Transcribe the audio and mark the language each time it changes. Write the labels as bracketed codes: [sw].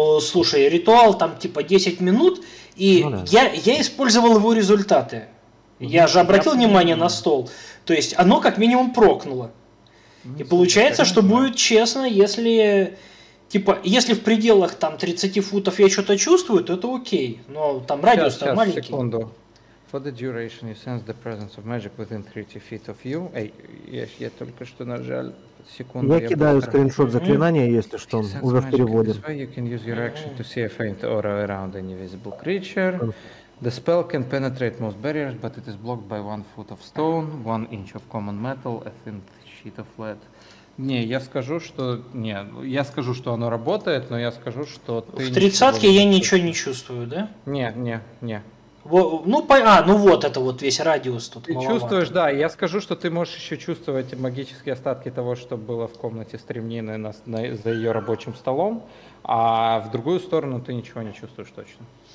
[ru] Слушай, ритуал там типа 10 минут, и я использовал его результаты. Я же обратил внимание на стол. То есть оно как минимум прокнуло. И получается, что будет честно, если типа, если в пределах там 30 футов я что-то чувствую, то это окей. Но там радиус там маленький. Сейчас, секунду. [en] For the duration you sense the presence of magic within 30 feet of you. [ru] Эй, я только что нажал. Секунду, я кидаю быстро. Скриншот заклинания, если что, он уже в переводе. [en] You can use your action to see a faint aura around an invisible creature. The spell can penetrate most barriers, but it is blocked by one foot of stone, one inch of common metal, a thin sheet of lead. [ru] Не, я скажу, что... Не, я скажу, что оно работает, но я скажу, что... В тридцатке я ничего не чувствую, да? Не. Вот это вот весь радиус тут. Ты маловато. Чувствуешь, да. Я скажу, что ты можешь еще чувствовать магические остатки того, что было в комнате стремнины за ее рабочим столом, а в другую сторону ты ничего не чувствуешь точно.